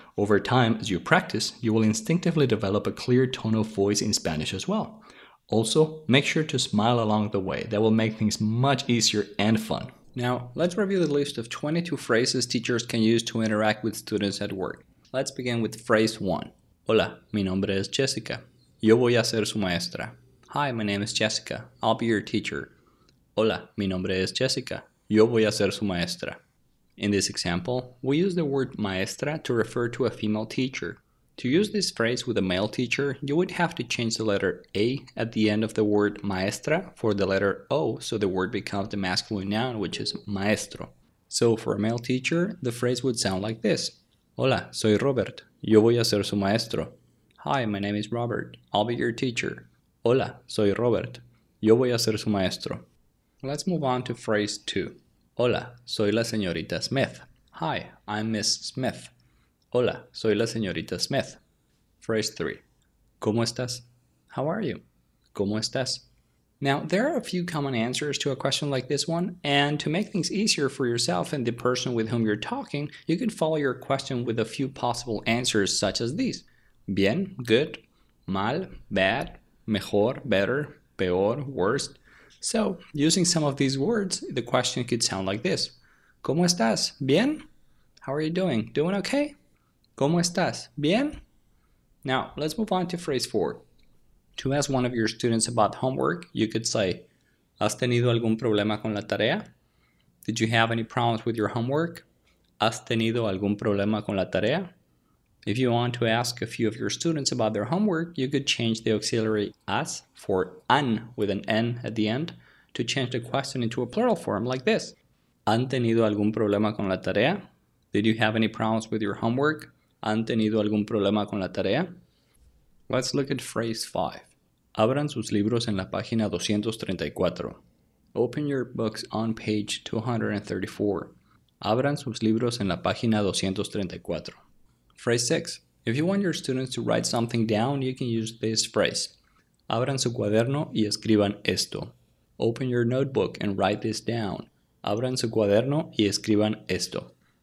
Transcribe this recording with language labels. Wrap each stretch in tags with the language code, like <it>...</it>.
<en>Over time, as you practice, you will instinctively develop a clear tone of voice in Spanish as well. Also, make sure to smile along the way. That will make things much easier and fun. Now, let's review the list of 22 phrases teachers can use to interact with students at work. Let's begin with phrase 1.</en> <es>Hola, mi nombre es Jessica. Yo voy a ser su maestra.</es> <en>Hi, my name is Jessica. I'll be your teacher.</en> <es>Hola, mi nombre es Jessica. Yo voy a ser su maestra.</es> <en>In this example, we use the word maestra to refer to a female teacher. To use this phrase with a male teacher, you would have to change the letter A at the end of the word maestra for the letter O, so the word becomes the masculine noun, which is maestro. So for a male teacher, the phrase would sound like this.</en> <es>Hola, soy Robert. Yo voy a ser su maestro.</es> <en>Hi, my name is Robert. I'll be your teacher.</en> <es>Hola, soy Robert. Yo voy a ser su maestro.</es> <en>Let's move on to phrase 2.</en> <es>Hola, soy la señorita Smith.</es> <en>Hi, I'm Miss Smith.</en> <es>Hola, soy la señorita Smith.</es> <en>Phrase 3.</en> <es>¿Cómo estás?</es> <en>How are you? ¿Cómo estás? Now, there are a few common answers to a question like this one, and to make things easier for yourself and the person with whom you're talking, you can follow your question with a few possible answers such as these. Bien, good, mal, bad, mejor, better, peor, worst. So, using some of these words, the question could sound like this.</en> <es>¿Cómo estás? Bien?</es> <en>How are you doing? Doing okay? ¿Cómo estás? Bien? Now, let's move on to phrase 4. To ask one of your students about homework, you could say,</en> <es>¿Has tenido algún problema con la tarea?</es> <en>Did you have any problems with your homework?</en> <es>¿Has tenido algún problema con la tarea?</es> <en>If you want to ask a few of your students about their homework, you could change the auxiliary has for an with an N at the end to change the question into a plural form like this.</en> <es>¿Han tenido algún problema con la tarea?</es> <en>Did you have any problems with your homework?</en> <es>¿Han tenido algún problema con la tarea?</es> <en>Let's look at phrase 5.</en> <es>Abran sus libros en la página 234.</es> <en>Open your books on page 234.</en> <es>Abran sus libros en la página 234.</es> <en>Phrase 6. If you want your students to write something down, you can use this phrase.</en> <es>Abran su cuaderno y escriban esto.</es> <en>Open your notebook and write this down.</en> <es>Abran su cuaderno y escriban esto.</es>